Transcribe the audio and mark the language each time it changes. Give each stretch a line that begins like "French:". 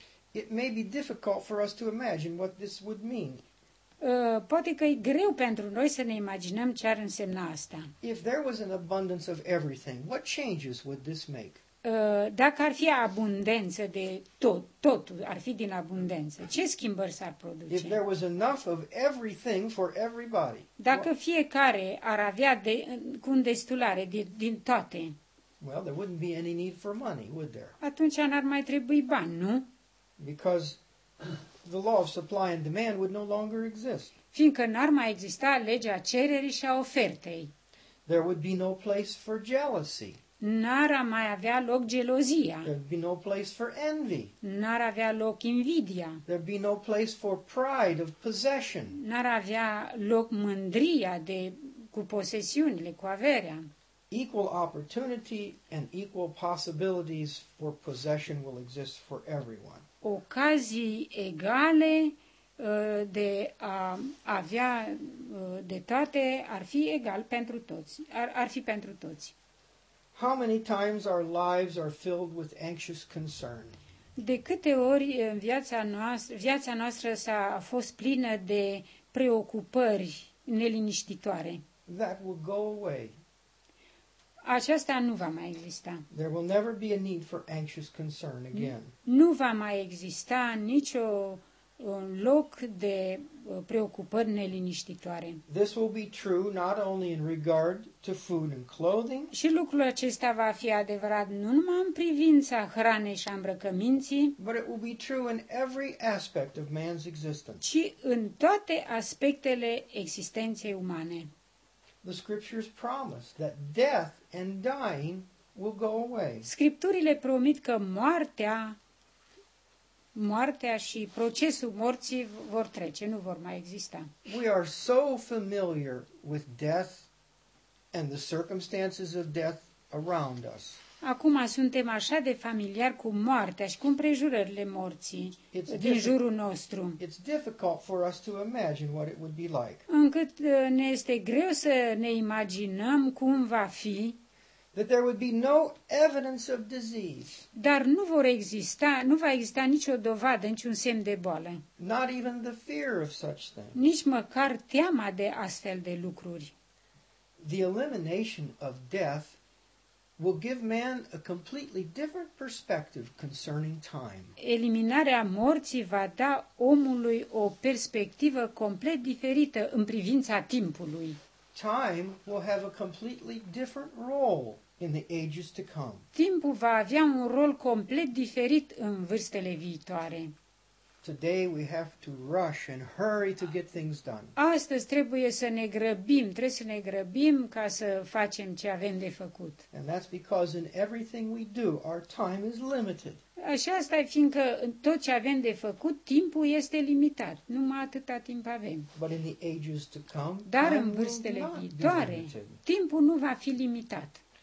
English: It may be difficult for us to imagine what this would mean.
Romanian: Poate că e greu pentru noi să ne imaginăm ce ar însemna asta.
English: If there was an abundance of everything, what changes would this make?
Romanian: dacă ar fi abundență de tot, totul ar fi din abundență, ce schimbări s-ar produce?
English: If there was enough of everything for everybody.
Romanian: Dacă fiecare ar avea de cu destulare din toate.
English: Well, there wouldn't be any need for money, would there?
Romanian: Atunci n-ar mai trebui bani, nu?
English: Because the law of supply and demand would no longer exist.
Romanian: Fiindcă n-ar mai exista legea cererii și a ofertei.
English: There would be no place for jealousy.
Romanian: N-ar mai avea loc gelozia.
English: There'd be no place for envy.
Romanian: N-ar avea loc invidia.
English: There'd be no place for pride of possession.
Romanian: N-ar avea loc mândria de cu posesiunile, cu averea.
English: Equal opportunity and equal possibilities for possession will exist for everyone.
Romanian: Ocazii egale de a avea de toate ar fi egal pentru toți. Ar fi pentru toți.
English: How many times our lives are filled with anxious concern?
Romanian: De câte ori în viața noastră s-a fost plină de preocupări neliniștitoare?
English: That will go away.
Romanian: Aceasta nu va mai exista.
English: There will never be a need for anxious concern again.
Romanian: Nu va mai exista nicio loc de preocupări neliniștitoare.
English: This will be true not only in regard to food and clothing.
Romanian: Și lucrul acesta va fi adevărat nu numai în privința hranei și îmbrăcăminții,
English: but it will be true in every aspect of man's existence.
Romanian: Ci în toate aspectele existenței umane.
English: The scriptures promise that death and dying will go away.
Romanian: Scripturile promit că moartea și procesul morții vor trece, nu vor mai exista.
English: We are so familiar with death and the circumstances of death around us.
Romanian: Acum suntem așa de familiar cu moartea și cu împrejurările morții din jurul nostru.
English: It's difficult for us to imagine what it would be like.
Romanian: Încât ne este greu să ne imaginăm cum va fi.
English: That there would be no evidence of disease.
Romanian: Dar nu va exista nicio dovadă, niciun semn de boală.
English: Not even the fear of such things.
Romanian: Nici măcar teama de astfel de lucruri.
English: The elimination of death will give man a completely different perspective concerning time.
Romanian: Eliminarea morții va da omului o perspectivă complet diferită în privința timpului.
English: Time will have a completely different role in the ages to come.
Romanian: Timpul va avea un rol complet diferit în vârstele viitoare.
English: Today we have to rush and hurry to get things done.
Romanian: Astăzi trebuie să ne grăbim ca să facem ce avem de făcut.
English: And that's because in everything we do, our time is limited.
Romanian: Și asta e fiindcă în tot ce avem de făcut, timpul este limitat. Numai atâta timp avem.
English: But in the ages to come,
Romanian: dar în vârstele viitoare, timpul nu va fi limitat.